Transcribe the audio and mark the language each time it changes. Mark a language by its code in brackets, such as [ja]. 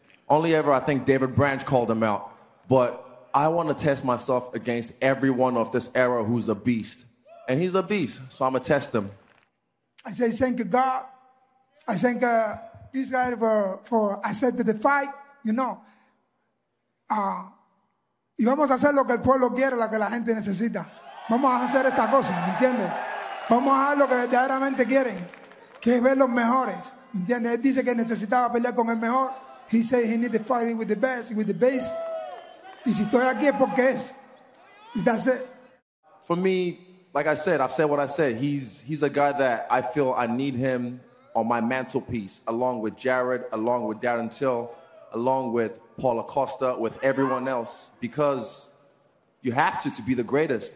[en] Only ever, I think, David Branch called him out. But I want to test myself against everyone of this era who's a beast. And he's a beast, so I'm going to test him. I say thank you, God. I thank Israel for accepting the fight, you know. [es] Y vamos a hacer lo que el pueblo quiere, lo que la gente necesita. Vamos a hacer esta cosa, ¿me entiendes? Vamos a hacer lo que verdaderamente quieren, que es ver los mejores, ¿me entiendes? Él dice que necesitaba pelear con el mejor. [en] He said he needed to fight with the best, with the base. [es] Y si estoy aquí es porque es. [en] That's it. For me, like I said, I've said what I said. He's a guy that I feel I need him on my mantelpiece, along with Jared, along with Darren Till, along with Paula Costa, with everyone else, because you have to be the greatest.